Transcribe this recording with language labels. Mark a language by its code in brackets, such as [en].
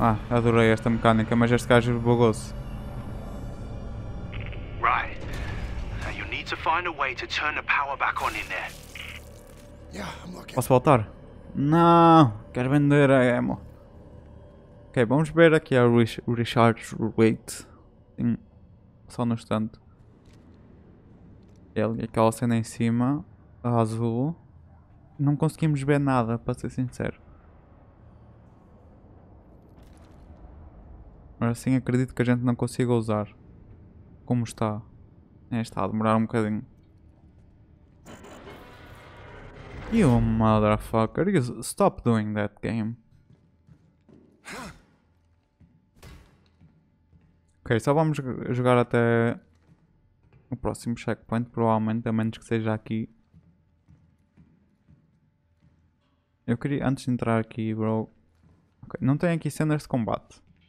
[pt] Adorei esta mecânica, mas este gajo bugou-se. [en] Right. Now you need to find a way to turn the power back on in there. [pt] Posso voltar? Não! Quero vender a ammo. Ok, vamos ver aqui a recharge rate. Sim. Só no instante. Ele e aquela cena em cima, a azul. Não conseguimos ver nada, para ser sincero. Mas assim acredito que a gente não consiga usar. Como está? Está a demorar um bocadinho. [en] You motherfucker, you stop doing that game. [pt] Ok, só vamos jogar até o próximo checkpoint, provavelmente, a menos que seja aqui. Eu queria, antes de entrar aqui, bro. Ok, não tem aqui cenas de combate.